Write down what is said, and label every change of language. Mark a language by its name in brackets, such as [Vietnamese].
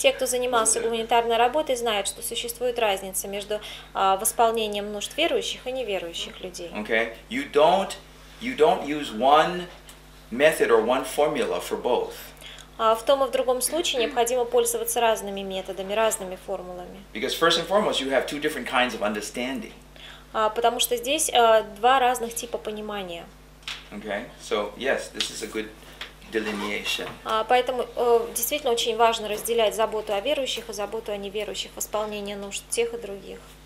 [Russian] Те, кто занимался гуманитарной работой, знают, что существует разница между восполнением нужд верующих и неверующих людей. [English] Okay. You don't use one method or one formula for both. [Russian] В том и в другом случае необходимо пользоваться разными методами, разными формулами. [English] Because first and foremost, you have two different kinds of understanding. [Russian] Потому что здесь два разных типа понимания. [English] Okay. So, yes, this is a good delineation. [Russian] Поэтому действительно очень важно разделять заботу о верующих и заботу о неверующих, восполнение нужд тех и других.